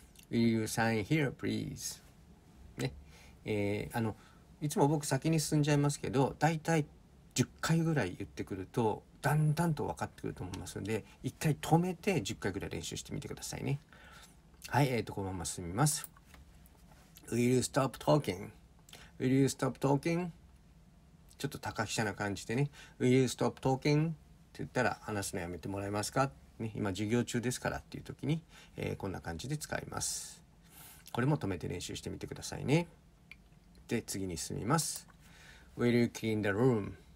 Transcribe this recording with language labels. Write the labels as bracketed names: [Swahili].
[English] Will you sign here please? [Japanese] ね、いつも僕先に進んじゃいますけど、だいたい10回ぐらい言ってくるとだんだんと分かってくると思いますので、一回止めて10回ぐらい練習してみてくださいね。はい、このまま進みます。 [English] Will you stop talking? Will you stop talking? [Japanese] ちょっと高飛車な感じでね、 [English] Will you stop talking? [Japanese] って言ったら、話すのやめてもらえますか、ね、今授業中ですからっていう時に、こんな感じで使います。これも止めて練習してみてくださいね。で次に進みます。 [English] Will you clean the room?